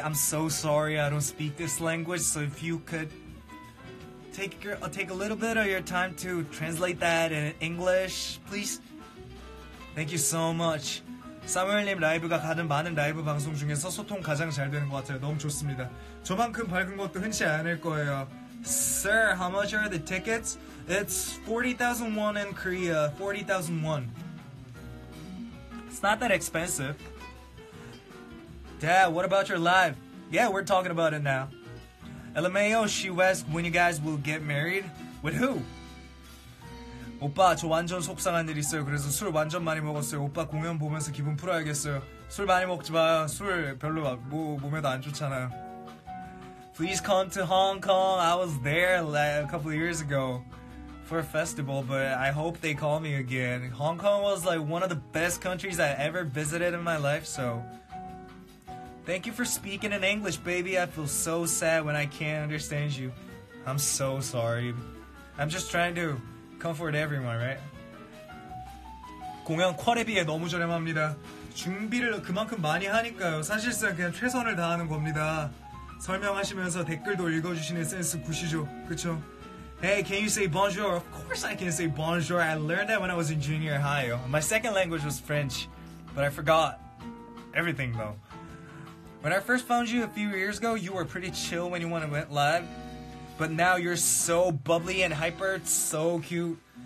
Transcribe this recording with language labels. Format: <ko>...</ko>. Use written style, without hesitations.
<en>I'm so sorry I don't speak this language. So if you could take a little bit of your time to translate that in English, please. Thank you so much.</en> <ko>사무엘님 라이브가 가장 많은 라이브 방송 중에서 소통 가장 잘 되는 것 같아요. 너무 좋습니다. 저만큼 밝은 것도 흔치 않을 거예요.</ko> <en>Sir, how much are the tickets? It's 40,000 won in Korea. 40,000 won. It's not that expensive. Dad, what about your live? Yeah, we're talking about it now. LMAO, she asked when you guys will get married. With who?</en> <ko>오빠, 저 완전 속상한 일 있어요. 그래서 술 완전 많이 먹었어요. 오빠 공연 보면서 기분 풀어야겠어요. 술 많이 먹지 마. 술 별로 뭐 몸에도 안 좋잖아요.</ko> <en>Please come to Hong Kong. I was there like a couple of years ago for a festival, but I hope they call me again. Hong Kong was like one of the best countries I ever visited in my life, so thank you for speaking in English, baby. I feel so sad when I can't understand you. I'm so sorry. I'm just trying to comfort everyone, right?</en> <ko>공연 퀄리티에 너무 저렴합니다. 준비를 그만큼 많이 하니까요. 사실상 그냥 최선을 다하는 겁니다. 설명하시면서 댓글도 읽어주시는 센스 굿이죠. 그쵸?</ko> <en>Hey, can you say bonjour? Of course I can say bonjour. I learned that when I was in junior high. My second language was French, but I forgot everything though. When I first found you a few years ago, you were pretty chill when you went live. But now you're so bubbly and hyper, so cute.</en>